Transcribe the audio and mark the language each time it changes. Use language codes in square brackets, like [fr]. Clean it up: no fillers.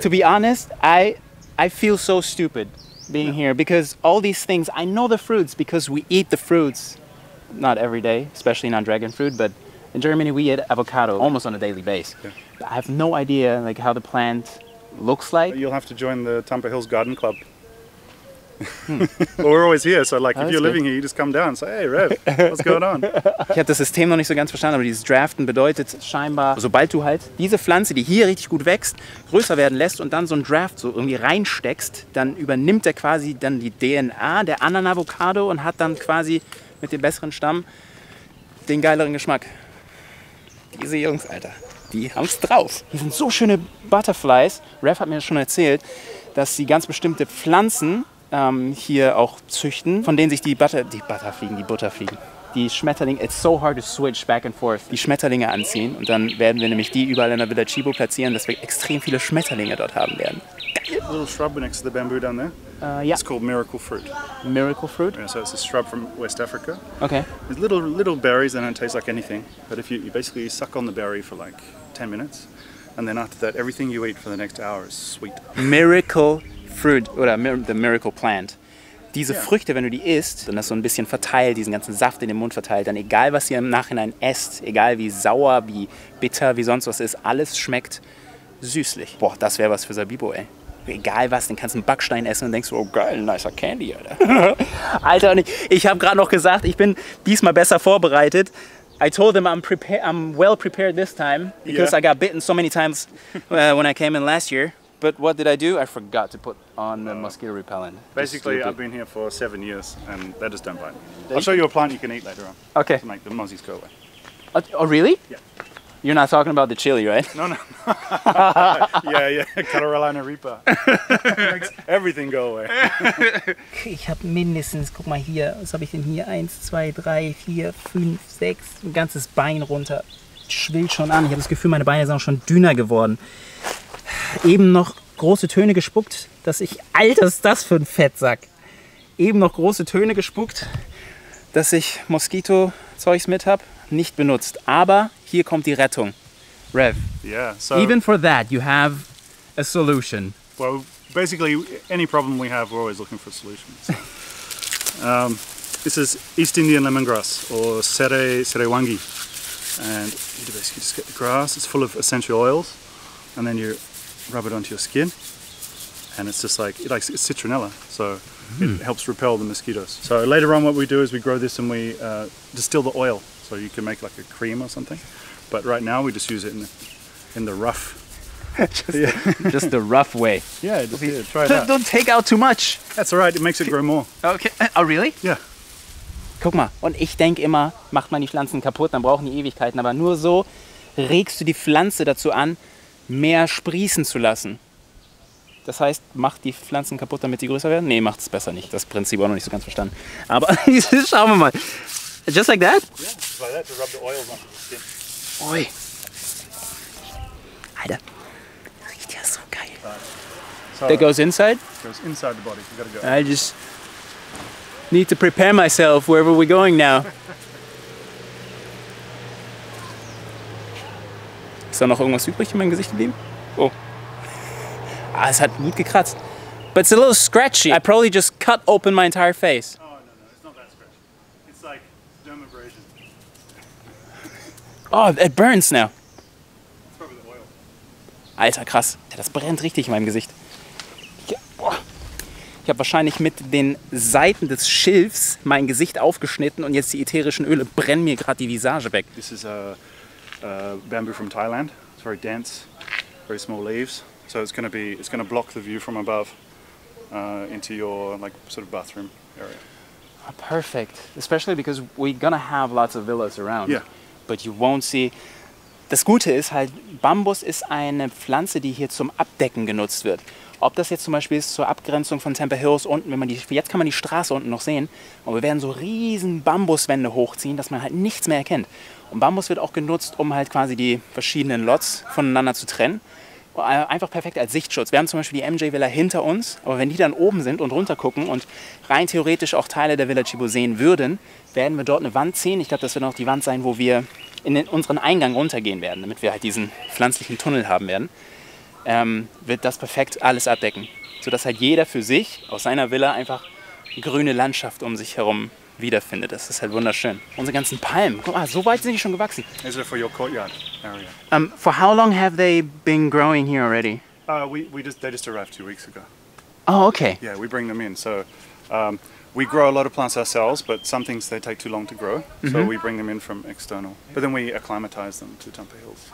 [en] To be honest, I feel so stupid being here, because all these things, I know the fruits, because we eat the fruits, not every day, especially not dragon fruit, but in Germany we eat avocado almost on a daily base. Yeah. I have no idea like how the plant looks like. You'll have to join the Tampa Hills Garden Club. Well, we're always here, so like if you're living here, you just come down and say, hey Rev, what's going on? [de] Ich habe das System noch nicht so ganz verstanden, aber dieses Draften bedeutet scheinbar, sobald du halt diese Pflanze, die hier richtig gut wächst, größer werden lässt und dann so ein Draft so irgendwie reinsteckst, dann übernimmt er quasi dann die DNA der anderen Avocado und hat dann quasi mit dem besseren Stamm den geileren Geschmack. Diese Jungs, Alter. Die haben's drauf. Hier sind so schöne Butterflies. Rev hat mir schon erzählt, dass sie ganz bestimmte Pflanzen hier auch züchten, von denen sich die Butterfliegen. Die Schmetterlinge, [en] it's so hard to switch back and forth. [de] Die Schmetterlinge anziehen und dann werden wir nämlich die überall in der Villa Chibo platzieren, dass wir extrem viele Schmetterlinge dort haben werden. [en] A little shrub next to the bamboo down there. Yeah. It's called miracle fruit. Miracle fruit? Yeah, so it's a shrub from West Africa. Okay. There's little berries and it tastes like anything. But if you basically suck on the berry for like 10 minutes and then after that everything you eat for the next hour is sweet. Miracle fruit, oder the miracle plant. [de] Diese Früchte, wenn du die isst und das so ein bisschen verteilt, diesen ganzen Saft in den Mund verteilt, dann egal was ihr im Nachhinein esst, egal wie sauer, wie bitter, wie sonst was ist, alles schmeckt süßlich. Boah, das wäre was für Sabibo, ey. Egal was, dann kannst du einen Backstein essen und denkst, oh geil, nicer Candy, Alter. Alter, und ich habe gerade noch gesagt, ich bin diesmal besser vorbereitet. [en] I told them I'm well prepared this time, because I got bitten so many times when I came in last year. But what did I do? I forgot to put on the mosquito repellent. Basically, I've been here for 7 years and they just don't bite. I'll show you a plant you can eat later on. Okay. To make the mozzies go away. Oh, really? Yeah. You're not talking about the chili, right? No, no. Yeah, yeah. Carolina Reaper. Makes everything go away. [de] Ich habe mindestens, guck mal hier, was habe ich denn hier? 1, 2, 3, 4, 5, 6, ein ganzes Bein runter. Schwillt schon an. Ich habe das Gefühl, meine Beine sind schon dünner geworden. Eben noch große Töne gespuckt, dass ich, Alter, ist das für ein Fettsack. Eben noch große Töne gespuckt, dass ich Moskito-Zeugs mit habe, nicht benutzt. Aber hier kommt die Rettung. Rev, [en] yeah, so even for that you have a solution. Well, basically any problem we have, we're always looking for solutions. This is East Indian lemongrass or Serewangi. And you basically just get the grass, it's full of essential oils, and then you rub it onto your skin, and it's just like, it's citronella, so it helps repel the mosquitoes. So later on what we do is we grow this and we distill the oil, so you can make like a cream or something, but right now we just use it in the rough. Just the rough way. Yeah, try it out. Don't take out too much. That's all right, it makes it grow more. Okay, oh really? Yeah. [de] Guck mal, und ich denke immer, macht man die Pflanzen kaputt, dann brauchen die Ewigkeiten. Aber nur so regst du die Pflanze dazu an, mehr sprießen zu lassen. Das heißt, macht die Pflanzen kaputt, damit sie größer werden? Nee, macht es besser nicht. Das Prinzip auch noch nicht so ganz verstanden. Aber schauen wir mal. [en] Just like that? Yeah, just like that. To rub the oil on. Yeah. Oi. [de] Alter, riecht ja so geil. [en] That goes inside? Goes inside the body. You gotta go. I just need to prepare myself wherever we're going now. [de] Ist da noch irgendwas übrig in meinem Gesicht geblieben? [en] Oh. Ah, [de] es hat gut gekratzt. [en] But it's a little scratchy. I probably just cut open my entire face. Oh, no, no, it's not that scratchy. It's like dermabrasion. Oh, it burns now. It's probably the oil. [de] Alter, krass. Das brennt richtig in meinem Gesicht. Ich habe wahrscheinlich mit den Seiten des Schilfs mein Gesicht aufgeschnitten und jetzt die ätherischen Öle brennen mir gerade die Visage weg. [en] This is a bamboo from Thailand. It's very dense, very small leaves. So it's gonna block the view from above into your like sort of bathroom area. Perfect. Especially because we're gonna have lots of villas around. Yeah. But you won't see. [de] Das Gute ist halt, Bambus ist eine Pflanze, die hier zum Abdecken genutzt wird. Ob das jetzt zum Beispiel ist zur Abgrenzung von Temple Hills unten, wenn man die, jetzt kann man die Straße unten noch sehen, aber wir werden so riesen Bambuswände hochziehen, dass man halt nichts mehr erkennt. Und Bambus wird auch genutzt, um halt quasi die verschiedenen Lots voneinander zu trennen. Einfach perfekt als Sichtschutz. Wir haben zum Beispiel die MJ-Villa hinter uns, aber wenn die dann oben sind und runter gucken und rein theoretisch auch Teile der Villa Chibo sehen würden, werden wir dort eine Wand ziehen. Ich glaube, das wird auch die Wand sein, wo wir in unseren Eingang runtergehen werden, damit wir halt diesen pflanzlichen Tunnel haben werden. Wird das perfekt alles abdecken, sodass halt jeder für sich aus seiner Villa einfach grüne Landschaft um sich herum wiederfindet. Das ist halt wunderschön. Unsere ganzen Palmen, guck mal, so weit sind die schon gewachsen. [en] Is it for your courtyard area? For how long have they been growing here already? They just arrived 2 weeks ago. Oh, okay. Yeah, we bring them in. So we grow a lot of plants ourselves, but some things they take too long to grow. Mm-hmm. So we bring them in from external. But then we acclimatize them to Temple Hills.